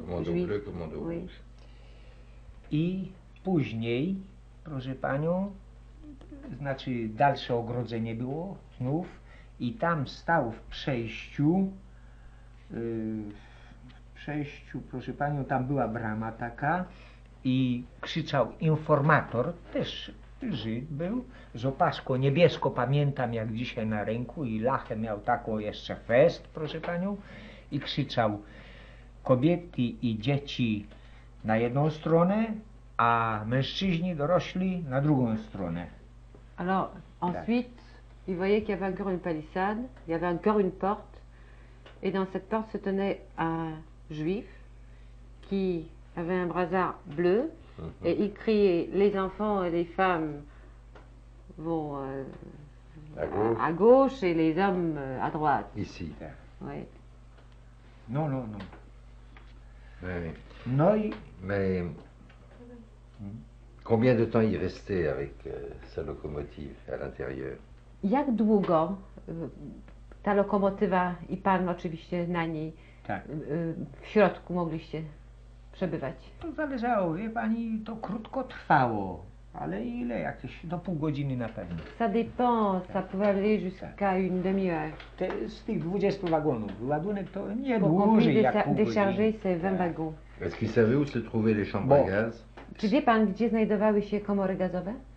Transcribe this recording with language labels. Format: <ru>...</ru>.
<fr>commando juifs. Bleu, commando oui.</fr> <pl>I później, proszę panią, znaczy dalsze ogrodzenie było znów i tam stał w przejściu. Przejściu, proszę panią, tam była brama taka i krzyczał informator, też Żyd był, z opaską niebieską, pamiętam jak dzisiaj na ręku i lachę miał taką jeszcze fest, proszę panią, i krzyczał kobiety i dzieci na jedną stronę, a mężczyźni dorośli na drugą stronę.</pl> <fr>Alors, ensuite, il voyait qu'il y avait encore une palissade, il y avait encore une porte, et dans cette porte se tenait un juif qui avait un brassard bleu, mm-hmm. et il criait, les enfants et les femmes vont à gauche et les hommes à droite. Ici. Oui. Non, non, non. Mais... Noi... Mais... Combien de temps il restait avec sa locomotive à l'intérieur?</fr> <pl>Jak długo ta lokomotywa i pan oczywiście na niej w środku mogliście przebywać? To zależało, wie pani, to krótko trwało, ale ile? Jakieś do pół godziny na pewno.</pl> <fr>Ça dépend, ça pouvait aller jusqu'à une demi-heure.</fr> <pl>Te, z tych 20 wagonów, ładunek to nie dłużej jak pół godziny.</pl> <fr>Décharger ces 20 wagons. Est-ce qu'il savait où se trouvaient les chambres à gaz?</fr> <pl>Czy wie pan, gdzie znajdowały się komory gazowe?</pl>